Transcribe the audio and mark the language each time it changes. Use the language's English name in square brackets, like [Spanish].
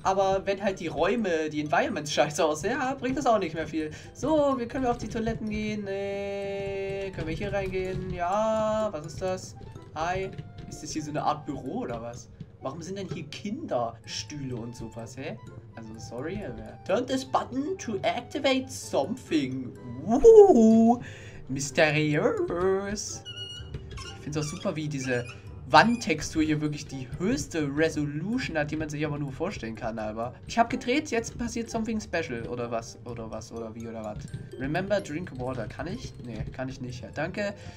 [German] Aber wenn halt die Räume, die Environments scheiße aussehen, ja, bringt das auch nicht mehr viel. So, wir können auf die Toiletten gehen. Können wir hier reingehen? Ja, was ist das? Hi. Ist das hier so eine Art Büro oder was? Warum sind denn hier Kinderstühle und sowas, hä? Also, sorry, aber... [English] Turn this button to activate something. Woohoo! Mysterious! [German] Ich find's auch super, wie diese Wandtextur hier wirklich die höchste Resolution hat, die man sich aber nur vorstellen kann, aber... Ich hab gedreht, jetzt passiert [English] something special, [German] oder was, oder was, oder wie, oder was. [English] Remember drink water, [German] kann ich? Nee, kann ich nicht, ja. Danke.